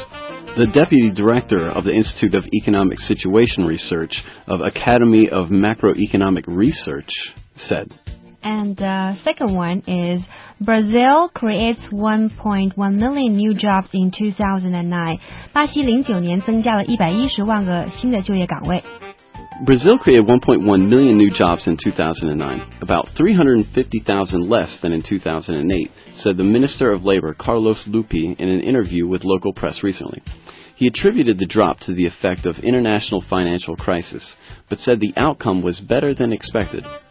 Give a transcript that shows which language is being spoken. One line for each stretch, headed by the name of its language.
English: The deputy director of the Institute of Economic Situation Research of Academy of Macroeconomic Research said. And the second one is Brazil creates 1.1 million new jobs in 2009.
Chinese: 巴西09年增加了110万个新的就业岗位。
English: Brazil created 1.1 million new jobs in 2009, about 350,000 less than in 2008, said the Minister of Labor, Carlos Lupi, in an interview with local press recently. He attributed the drop to the effect of international financial crisis, but said the outcome was better than expected.